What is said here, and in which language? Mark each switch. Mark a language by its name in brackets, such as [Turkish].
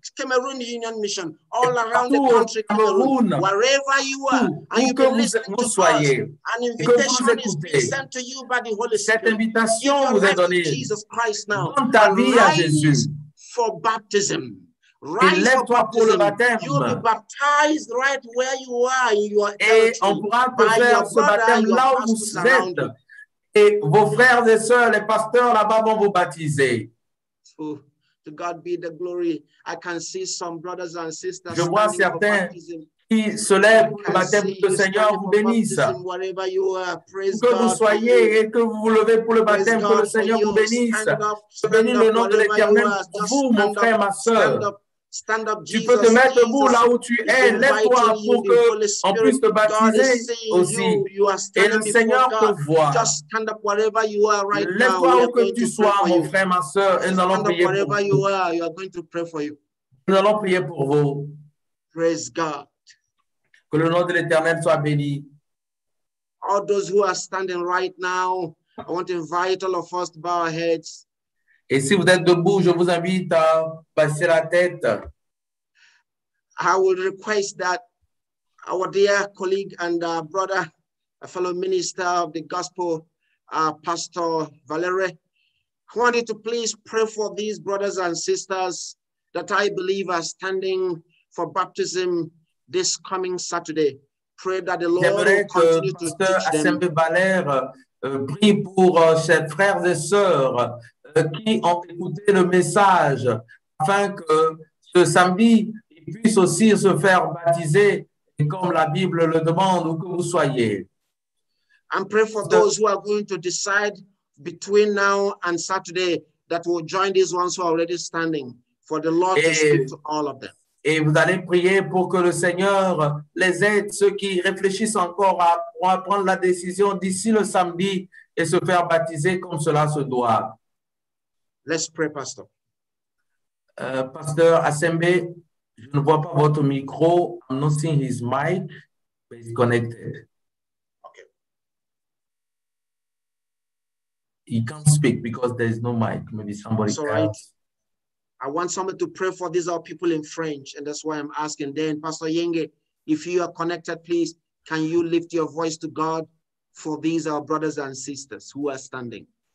[English] Cameroon Union Mission, all around the country, Cameroon, wherever you are, and you can listen to us. An invitation is sent to you by the Holy Spirit. [French] Cette invitation vous est donnée. [English] Jesus Christ now. [French] Donne ta vie à Jésus. [English] For baptism. [French] Élève-toi pour le baptême. [English] You'll be baptized right where you are in your age. [French] Et on pourra faire ce baptême là où vous êtes. Et vos frères et sœurs, les pasteurs là-bas vont vous baptiser. [English] To God be the glory. I can see some brothers and sisters. [French] Je vois certains qui se lèvent pour le baptême. Que le Seigneur vous bénisse. Que vous soyez et que vous vous levez pour le baptême, que le Seigneur vous bénisse. Je bénis le nom de l'Éternel pour vous, mon frère, ma sœur. [English] Stand up, [French] tu peux te mettre debout là où tu es. Lève-toi pour que on puisse te baptiser aussi. Et le Seigneur te voit. Lève-toi où que tu sois, mon frère, ma soeur. Et nous allons prier pour vous. Nous allons prier pour vous. [English] Praise God. [French] Que le nom de l'Éternel soit béni. [English] All those who are standing right now, I want to invite all of us to bow our heads. [French] Et si vous êtes debout, je vous invite à baisser la tête. [English] I will request that our dear colleague and brother, a fellow minister of the gospel, Pastor Valere, I want you to please pray for these brothers and sisters that I believe are standing for baptism this coming Saturday. Pray that the Lord will continue to teach them. [French] Pasteur Assembe Valère prie pour ses frères et sœurs qui ont écouté le message afin que ce samedi, ils puissent aussi se faire baptiser comme la Bible le demande où que vous soyez. [English] And pray for those who are going to decide between now and Saturday that will join these ones who are already standing for the Lord to speak to all of them. [French] Et vous allez prier pour que le Seigneur les aide, ceux qui réfléchissent encore à prendre la décision d'ici le samedi et se faire baptiser comme cela se doit. [English] Let's pray, Pastor. [French] Pasteur Assembe, je ne vois pas votre micro. [English] I'm not seeing his mic, but he's connected. Okay. He can't speak because there is no mic. Maybe somebody can. Right. I want someone to pray for these our people in French, and that's why I'm asking. Then, Pastor Yenge, if you are connected, please, can you lift your voice to God for these our brothers and sisters who are standing?